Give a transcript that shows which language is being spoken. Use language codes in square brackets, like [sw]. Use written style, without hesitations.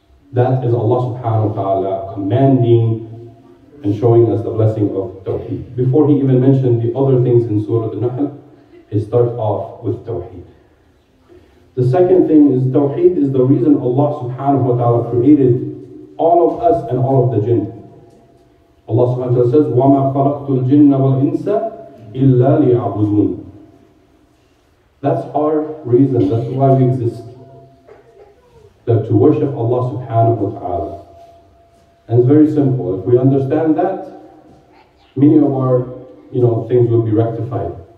[en] That is Allah subhanahu wa ta'ala commanding and showing us the blessing of Tawheed. Before he even mentioned the other things in Surah An-Nahl, he starts off with Tawheed. The second thing is Tawheed is the reason Allah subhanahu wa ta'ala created all of us and all of the jinn. [ar] Allah subhanahu wa ta'ala says, وَمَا خَلَقْتُ الْجِنَّ وَالْإِنسَ إِلَّا لِيَعْبُدُونَ. [en] That's our reason, that's why we exist. That to worship Allah subhanahu wa ta'ala. And it's very simple. If we understand that, many of our, you know, things will be rectified.